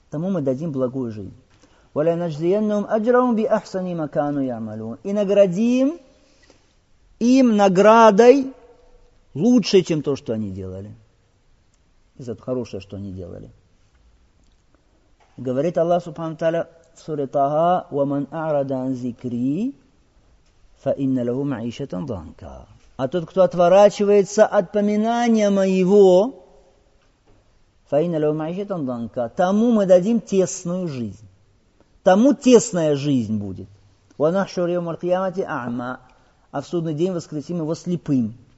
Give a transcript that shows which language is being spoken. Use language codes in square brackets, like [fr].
[ru] Тому мы дадим благую жизнь. [ar] وَلَنَجْزِيَنَّهُمْ أَجْرَهُمْ بِأَحْسَنِ مَا كَانُوا يَعْمَلُونَ. [ru] И наградим им наградой лучше, чем то, что они делали. Это хорошее, что они делали. Говорит Аллах Субхану Тааля в суре Таха: [ar] وَمَنْ أَعْرَدَ عَنْ ذِكْرِي فَإِنَّ لَهُ مَعِيشَةً ضَنكًا. [ru] А тот, кто отворачивается от поминания моего, [ar] فَإِنَّ لَهُ مَعِيشَةً ضَنكًا, [ru] тому мы дадим тесную жизнь. Тому тесная жизнь будет. [ar] وَنَحْشُرُ يَوْمَ الْقِيَامَةِ أَعْمَى. [ru] А в судный день воскресим его слепым.